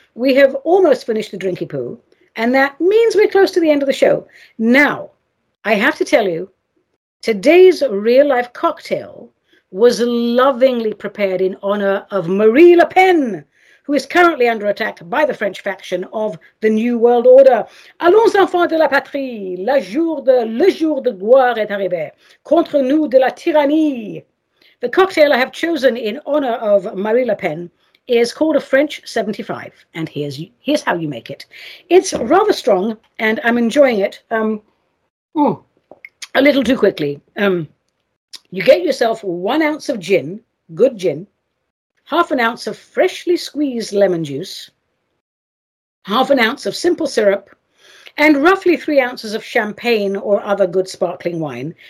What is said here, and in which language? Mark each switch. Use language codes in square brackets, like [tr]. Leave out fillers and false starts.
[en] We have almost finished the drinky poo, and that means we're close to the end of the show. Now, I have to tell you, today's real life cocktail was lovingly prepared in honor of Marie Le Pen, who is currently under attack by the French faction of the New World Order. [fr] Allons enfants de la patrie, le jour de gloire est arrivé, contre nous de la tyrannie. [en] The cocktail I have chosen in honor of Marie Le Pen is called a French 75, and here's how you make it. It's rather strong, and I'm enjoying it a little too quickly. You get yourself 1 ounce of gin, good gin, half an ounce of freshly squeezed lemon juice, half an ounce of simple syrup, and roughly 3 ounces of champagne or other good sparkling wine.